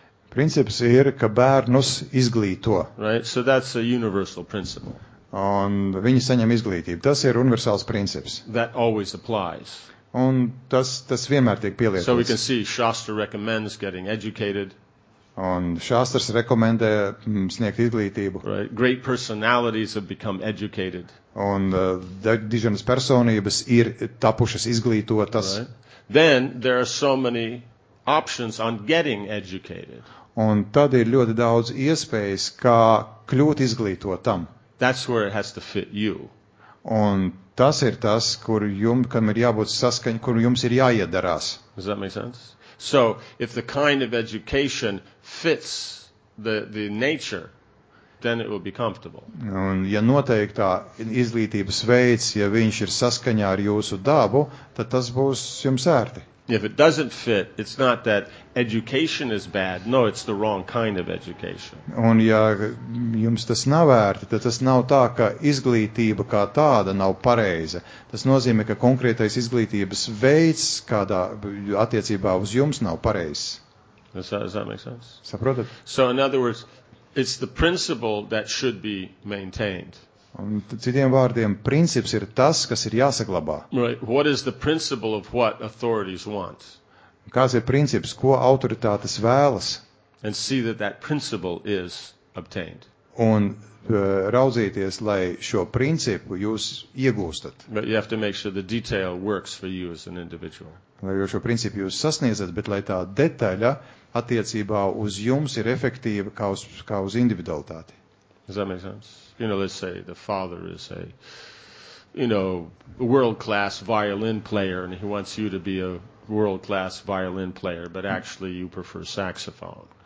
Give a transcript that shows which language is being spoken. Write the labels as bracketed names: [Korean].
[Latvian] Princips ir, ka bērnus izglīto. [English] Right? So that's a universal principle. [Latvian] Un viņi saņem izglītību. Tas ir universāls princips. [English] That always applies. [Latvian] Un tas vienmēr tiek pielietots. [English] So we can see Shastra recommends getting educated. [Latvian] Un Šāstars rekomendē sniegt izglītību. [English] Right. Great personalities have become educated. [Latvian] Un dižanas personības ir tapušas izglītotas. [English] Right. Then there are so many options on getting educated. [Latvian] Un tad ir ļoti daudz iespējas, kā kļūt izglītotam. [English] That's where it has to fit you. [Latvian] Un tas ir tas, kur jums, kam ir jābūt saskaņ, kur jums ir jāiederās. [English] Does that make sense? So, if the kind of education fits the nature, then it will be comfortable. [Latvian] Un ja noteiktā izglītības veids, ja viņš ir saskaņā ar jūsu dabu, tad tas būs jums ērti. [English] If it doesn't fit, it's not that education is bad. No, it's the wrong kind of education. [Latvian] Un ja jums tas nav ērti, tad tas nav tā, ka izglītība kā tāda nav pareiza. Tas nozīmē, ka konkrētais izglītības veids, kādā attiecībā uz jums, nav pareizs. [English] Does that make sense? [Latvian] Saprotat? [English] So in other words, it's the principle that should be maintained. [Latvian] Un citiem vārdiem, princips ir tas, kas ir jāsaglabā. [English] Right. What is the principle of what authorities want? [Latvian] Kāds ir princips, ko autoritātes vēlas? [English] And see that that principle is obtained. [Latvian] Un raudzīties, lai šo principu jūs iegūstat. [English] But you have to make sure the detail works for you as an individual. [Latvian] Lai jūs šo principu jūs sasniedzat, bet lai tā detaļa attiecībā uz jums ir efektīva kā uz individualitāti. [English] Does that make sense? You know, let's say the father is a, you know, world-class violin player, and he wants you to be a world-class violin player, but actually you prefer saxophone.